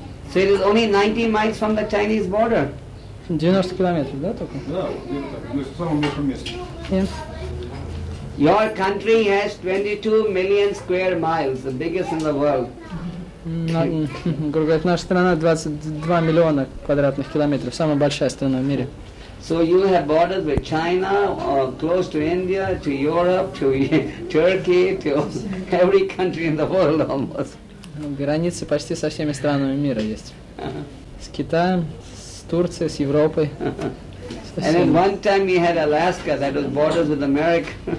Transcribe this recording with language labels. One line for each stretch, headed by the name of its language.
English: So it is only 90 miles from the Chinese border?
Russian: 90 километров, да, только? Да, где-то, в самом большом месте.
English: Your country has 22 million square miles, the biggest in the world.
Russian: Наша страна 22 миллиона квадратных километров, самая большая страна в мире.
English: So you have borders with China, or close to India, to Europe, to Turkey, to every country in the world almost.
Russian: Границы почти со всеми странами мира есть. С Китаем, с Турцией, с Европой.
English: And at one time you had Alaska, that was borders with America.